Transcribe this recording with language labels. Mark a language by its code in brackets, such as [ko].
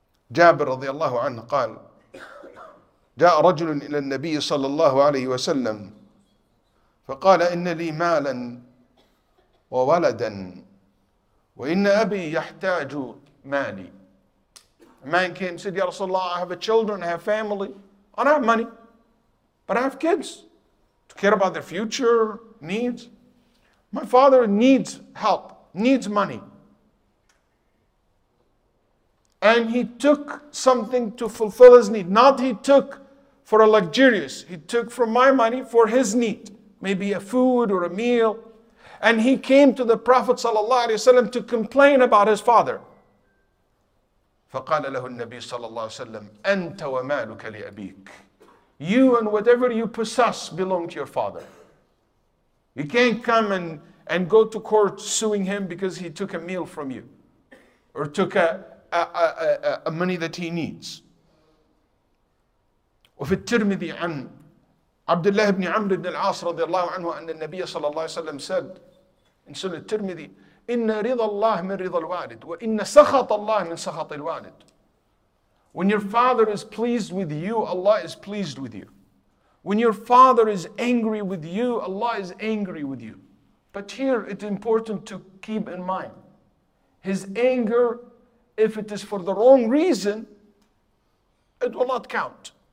[ar] جابر رضي الله عنه قال جاء رجل إلى النبي صلى الله عليه وسلم فقال إن لي مالا وولدا وإن أبي يحتاج مالي. [en] A man came and said, [ar] يا رسول الله, [en] I have a children, I have family, I don't have money, but I have kids to care about their future needs. My father needs help, needs money. And he took something to fulfill his need. Not he took for a luxurious. He took from my money for his need. Maybe a food or a meal. And he came to the Prophet sallallahu alaihi wasallam to complain about his father. [ar] فَقَالَ لَهُ النَّبِيُّ صَلَّى اللَّهُ وَسَلَّمَ أَنْتَ وَمَالُكَ لِأَبِيكَ. [en] You and whatever you possess belong to your father. You can't come and go to court suing him because he took a meal from you. Or took a money that he needs. [ar] وفي الترمذي عن عبد الله بن عمرو بن العاص رضي الله عنه أن النبي صلى الله عليه وسلم [en] said in [ar] سنة الترمذي إن رضا الله من رضا الوالد وإن سخط الله من سخط الوالد. [en] When your father is pleased with you, Allah is pleased with you. When your father is angry with you, Allah is angry with you. But here it's important to keep in mind his anger. If it is for the wrong reason, it will not count.